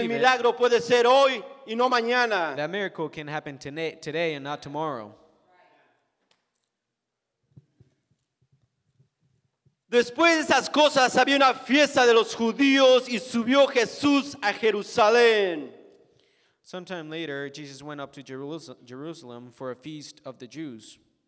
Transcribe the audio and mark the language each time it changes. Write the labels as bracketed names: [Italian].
[Spanish] el milagro puede ser hoy y no mañana. [English] That miracle can happen today and not tomorrow. [Spanish] Después de esas cosas, había una fiesta de los judíos y subió Jesús a Jerusalén. [English] Sometime later, Jesus went up to Jerusalem for a feast of the Jews.